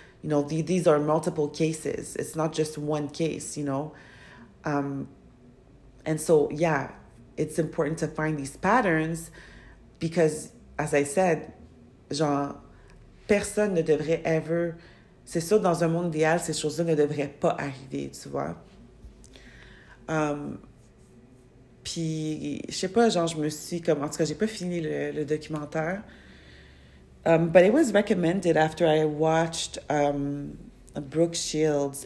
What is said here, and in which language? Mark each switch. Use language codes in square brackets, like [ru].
[en] You know, these are multiple cases. It's not just one case, you know. And so, yeah, it's important to find these patterns because, as I said, [fr] genre, personne ne devrait [en] ever... [fr] C'est sûr, dans un monde idéal, ces choses-là ne devraient pas arriver, tu vois. Puis, je sais pas, genre, je me suis comme... En tout cas, j'ai pas fini le documentaire. [en] But it was recommended after I watched Brooke Shields.